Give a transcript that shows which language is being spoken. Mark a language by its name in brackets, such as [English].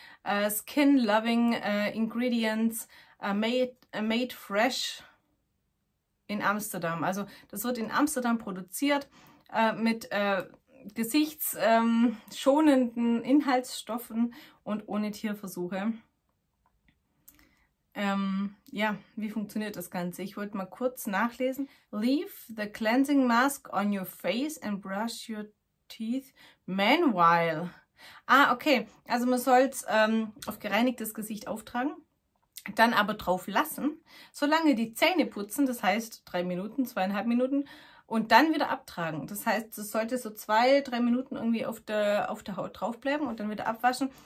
[English] Skin Loving Ingredients. Made Fresh in Amsterdam. [German] Also das wird in Amsterdam produziert mit gesichtsschonenden Inhaltsstoffen und ohne Tierversuche. Ja, wie funktioniert das Ganze? Ich wollte mal kurz nachlesen. [English] Leave the cleansing mask on your face and brush your teeth meanwhile. [German] Ah, okay. Also man soll es auf gereinigtes Gesicht auftragen, dann aber drauf lassen, solange die Zähne putzen, das heißt 3 Minuten, 2,5 Minuten, und dann wieder abtragen. Das heißt, es sollte so 2-3 Minuten irgendwie auf der Haut draufbleiben und dann wieder abwaschen.